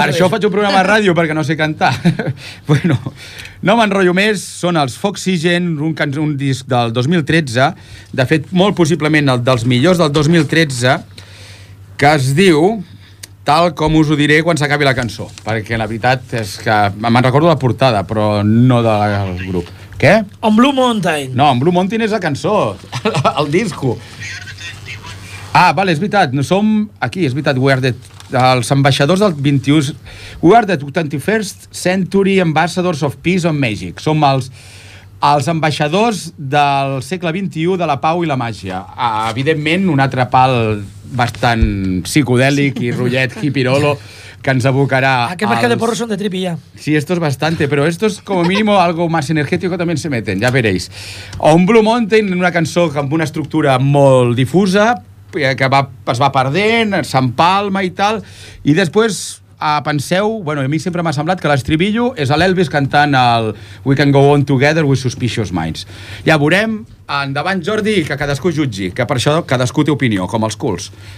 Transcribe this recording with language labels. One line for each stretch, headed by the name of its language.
Catalan: Per això faig un programa de ràdio, perquè no sé cantar. Bueno, no m'enrotllo més, són els Foxygen, un disc del 2013, de fet, molt possiblement el dels millors del 2013, que es diu, tal com us ho diré quan s'acabi la cançó, perquè la veritat és que me'n recordo la portada, però no del grup. Què? On Blue Mountain. No, On Blue Mountain és la cançó, el disco. Ah, vale, és veritat, som aquí, és veritat, We are the, els ambaixadors del 21...
English: We are the 21st Century Ambassadors of Peace and Magic.
Catalan: Som els ambaixadors del segle XXI de la pau i la màgia. Evidentment, un altre pal bastant psicodèlic i rotllet hippirolo que ens abocarà... Aquest mercat de porros són de tripi, ja.
Spanish: Sí, esto es bastante, pero esto es como mínimo algo más energético también se meten,
Catalan: ja veréis. On Blue Mountain, una cançó amb una estructura molt difusa, que va, es va perdent, s'empalma i tal, i després penseu, bueno, a mi sempre m'ha semblat que l'estribillo és l'Elvis cantant el We Can Go On Together With Suspicious Minds. Ja veurem, endavant Jordi, que cadascú jutgi, que per això cadascú té opinió, com els culs.